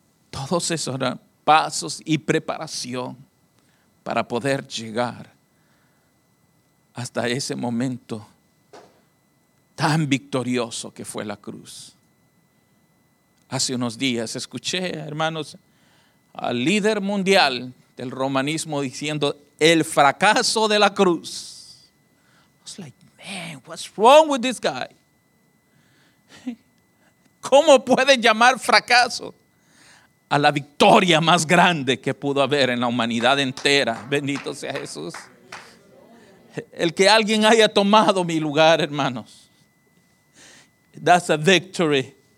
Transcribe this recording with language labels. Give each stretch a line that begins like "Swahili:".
Spanish: Todos esos eran pasos y preparación para poder llegar hasta ese momento tan victorioso que fue la cruz. Hace unos días escuché, hermanos, al líder mundial del romanismo diciendo el fracaso de la cruz.
English: I was like, man, what's wrong with this guy?
Spanish: ¿Cómo pueden llamar fracaso a la victoria más grande que pudo haber en la humanidad entera? Bendito sea Jesús. El que alguien haya tomado mi lugar, hermanos,
English: that's a victory.